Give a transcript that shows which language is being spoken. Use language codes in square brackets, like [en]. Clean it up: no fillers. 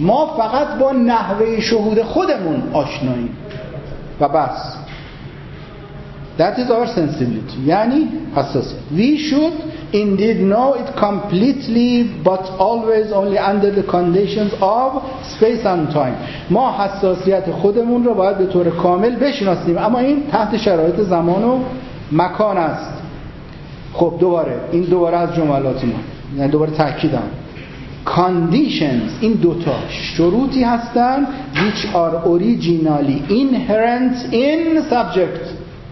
[fa] ما فقط با نحوه شهود خودمون آشناییم و بس. [en] That is our sensibility. [fa] یعنی حساسیت. [en] We should indeed know it completely but always only under the conditions of space and time. [fa] ما حساسیت خودمون رو باید به طور کامل بشناسیم، اما این تحت شرایط زمان و مکان است. خب دوباره، این دوباره از جملات ما، یعنی دوباره تاکیدم. [en] Conditions، [fa] این دوتا شروطی هستن، [en] which are originally inherent in subject.